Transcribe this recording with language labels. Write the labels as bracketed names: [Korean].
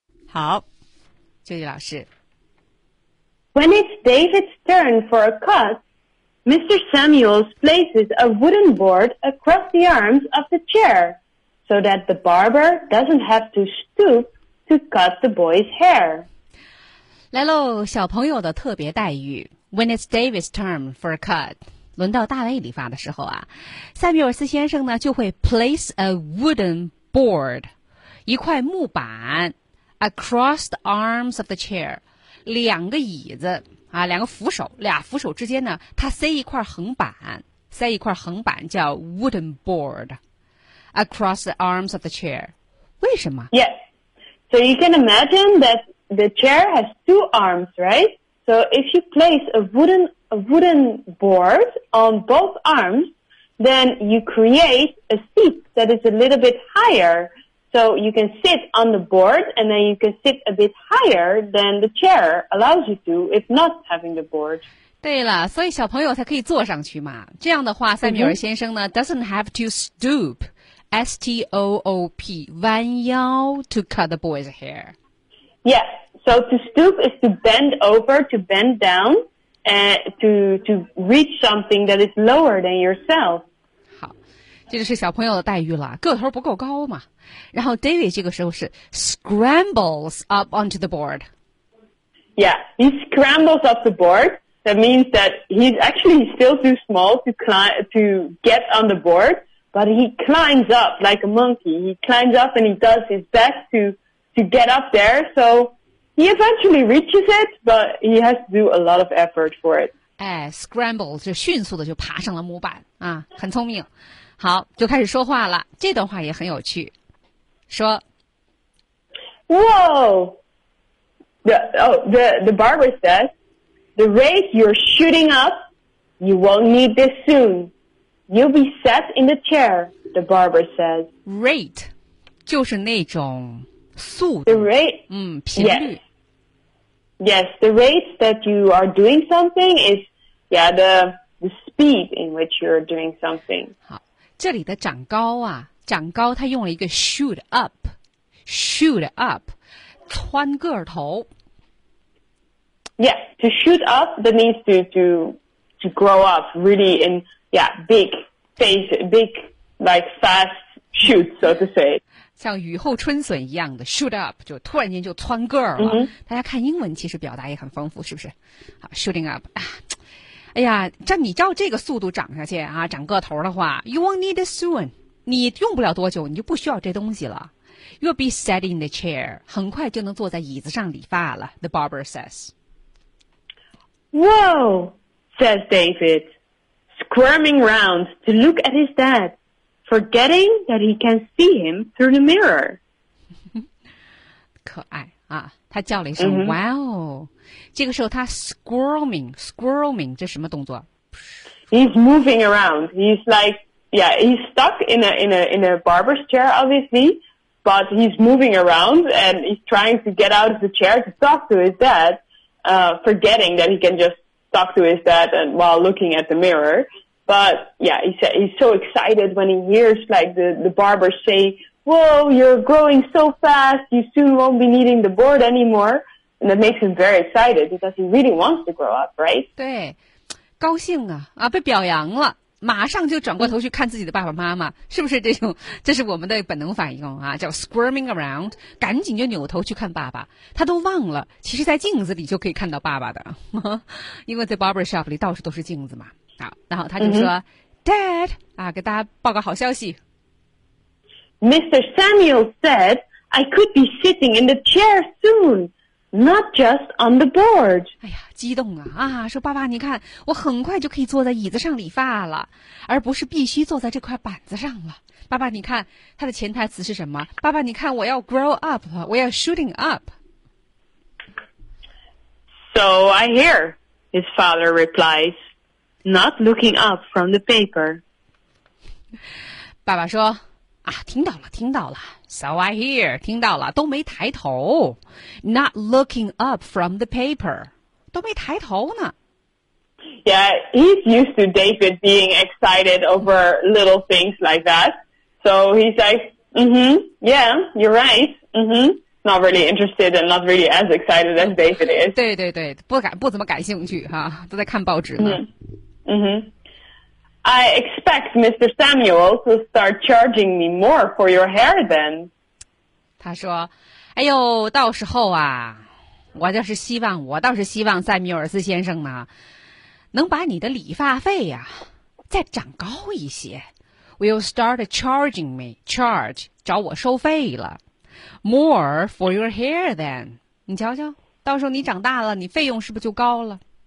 [Chinese] 好，秋雨老师。 [English] When it's David's turn for a cut, Mr. Samuels places a wooden board across the arms of the chair so that the barber doesn't have to stoop to cut the boy's hair. [Chinese] 来喽，小朋友的特别待遇。 [English] When it's David's turn for a cut， [Chinese] 轮到大卫理发的时候啊，塞米尔斯先生呢就会 [English] place a wooden board， [Chinese] 一块木板 [English] across the arms of the chair， [Chinese] 两个椅子啊，两个扶手，俩扶手之间呢，他塞一块横板叫 [English] wooden board across the arms of the chair。 [Chinese] 为什么 [English] ？Yes， so you can imagine that. The chair has two arms, right? So if you place a wooden board on both arms, then you create a seat that is a little bit higher. So you can sit on the board and then you can sit a bit higher than the chair allows you to if not having the board. [Chinese] 对了，所以小朋友才可以坐上去嘛。这样的话，塞米尔先生呢 [English] doesn't have to stoop, [Chinese] S-T-O-O-P, 弯腰 [English] to cut the boy's hair. Yes, so to stoop is to bend over, to bend down, to reach something that is lower than yourself. [Chinese] 好，这就是小朋友的待遇了，个头不够高嘛。然后 David 这个时候是 [English] scrambles up onto the board. Yeah, he scrambles up the board. That means that he's actually still too small to get on the board, but he climbs up like a monkey. He climbs up and he does his best to get up there, so he eventually reaches it, but he has to do a lot of effort for it. [Chinese] 哎 ，scramble 就迅速的就爬上了木板啊，很聪明。好，就开始说话了。这段话也很有趣，说 [English] ，Whoa, the barber says, the rate you're shooting up, you won't need this soon. You'll be set in the chair, the barber says. [Chinese] Rate 就是那种。速度 [English] the rate, [Chinese] 频率 [English] yes, the rate that you are doing something is yeah, the speed in which you're doing something. [Chinese] 好，这里的长高啊，长高它用了一个 shoot up, shoot up, 蹿个头。 [English] Yeah, to shoot up, that means to grow up really in, yeah, big phase, big, like, fast shoot, so to say. [Chinese] 像雨后春笋一样的 shoot up, 就突然间就蹿个儿了。 Mm-hmm. 大家看英文其实表达也很丰富，是不是？好 shooting up, 啊。哎呀，这你照这个速度长下去啊，长个头的话 ， [English] you won't need it soon. [Chinese] 你用不了多久，你就不需要这东西了。 [English] You'll be sat in the chair. [Chinese] 很快就能坐在椅子上理发了。 [English] The barber says. "Whoa," says David, squirming round to look at his dad, forgetting that he can see him through the mirror. [Chinese] 可爱啊！他叫了一声 mm-hmm. [English] "Wow!" [Chinese] 这个时候他 squirming 这什么动作 [English] ？He's moving around. He's like, yeah, he's stuck in a barber's chair, obviously, but he's moving around and he's trying to get out of the chair to talk to his dad, forgetting that he can just talk to his dad and while looking at the mirror. But yeah, he's so excited when he hears like the barber say. Whoa, you're growing so fast, you soon won't be needing the board anymore. And that makes him very excited because he really wants to grow up, right? [Chinese] 对，高兴啊，啊，被表扬了，马上就转过头去看自己的爸爸妈妈，是不是这种，这是我们的本能反应啊，叫 squirming around, 赶紧就扭头去看爸爸，他都忘了，其实在镜子里就可以看到爸爸的，因为在 barbershop 里到处都是镜子嘛。好，然后他就说、Dad, 啊，给大家报个好消息。 [English] Mr. Samuel said, I could be sitting in the chair soon, not just on the board. [Chinese] 哎呀，激动啊，啊，说爸爸，你看，我很快就可以坐在椅子上理发了，而不是必须坐在这块板子上了。爸爸，你看，他的潜台词是什么？爸爸，你看，我要 grow up, 我要 shooting up. [English] So I hear, his father replies, not looking up from the paper. [Chinese] 爸爸说啊，听到了，听到了。 [English] So I hear, [Chinese] 听到了，都没抬头。 [English] Not looking up from the paper, [Chinese] 都没抬头呢。 [English] Yeah, he's used to David being excited over little things like that. So he's like, yeah, you're right, Not really interested and not really as excited as David is. [Chinese] 对对对，不怎么感兴趣哈、啊，都在看报纸呢。 [English] I expect Mr. Samuel to start charging me more for your hair then. [Chinese] 他说，哎呦，到时候啊，我倒是希望塞缪尔斯先生呢，能把你的理发费呀、啊、再涨高一些。 [English] Will start charging me, [Chinese] charge, 找我收费了。 [English] More for your hair then. [Chinese] 你瞧瞧，到时候你长大了，你费用是不是就高了？